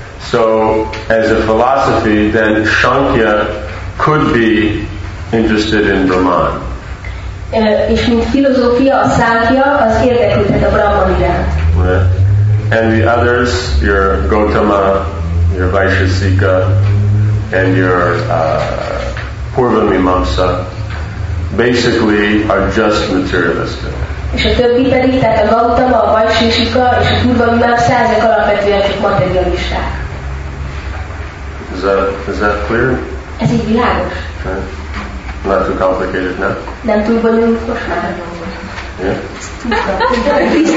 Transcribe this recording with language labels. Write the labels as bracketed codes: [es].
[en] So as a philosophy, then Shankya could be interested in Brahman. [hu] És mint filozófia, a Shankya az érdeklődhet a Brahman iránt. [en] And the others, your Gautama, your Vaisheshika, and your Purvamimamsa, basically are just materialistic. [hu] És a többi pedig, tehát a Gautama, a Vaisheshika és a Purvamimamsa, ezek alapvetően csak materialisták. [en] Is that clear? [hu] Ez így világos. [en] Okay. Not too complicated, no? [hu] Nem túl bonyolult, most már nem bonyolult.